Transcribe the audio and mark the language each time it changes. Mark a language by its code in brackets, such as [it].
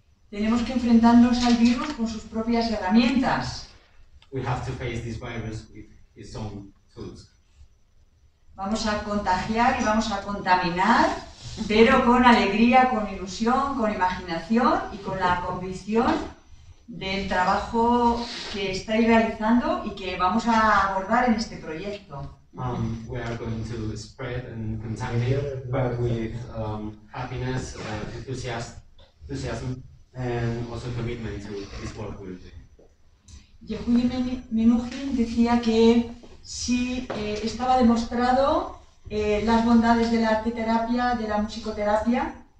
[es] Tenemos que enfrentarnos al virus con sus propias herramientas. [en] We have to face this virus with its own tools. [es] Vamos a contagiar y vamos a contaminar, pero con alegría, con ilusión, con imaginación y con la convicción del trabajo que estáis realizando y que vamos a abordar en este proyecto. [en] We are going to spread and contaminate, but with happiness, enthusiasm, and also commitment to this work we're doing. [es] Yehudi Menuhin decía que sí, estaba demostrado las bondades de la arte terapia, de la musicoterapia.